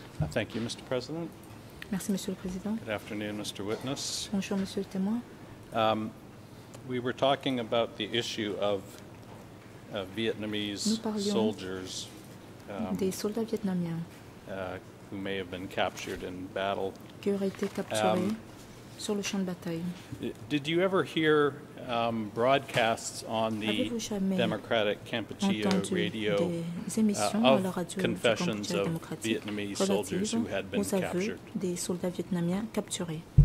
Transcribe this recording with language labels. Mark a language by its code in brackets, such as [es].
[en] Thank you, Mr. President. [fr] Merci, Monsieur le Président. [en] Good afternoon, Mr. Witness. [fr] Bonjour, Monsieur le Témoin. [en] We were talking about the issue of Vietnamese soldiers, [fr] des soldats vietnamiens, [en] who may have been captured in battle. [fr] Qui auraient été capturés sur le champ de bataille. [en] Did you ever hear broadcasts on the Democratic Kampuchea radio of confessions of Vietnamese soldiers who had been captured? [fr] Des soldats vietnamiens capturés.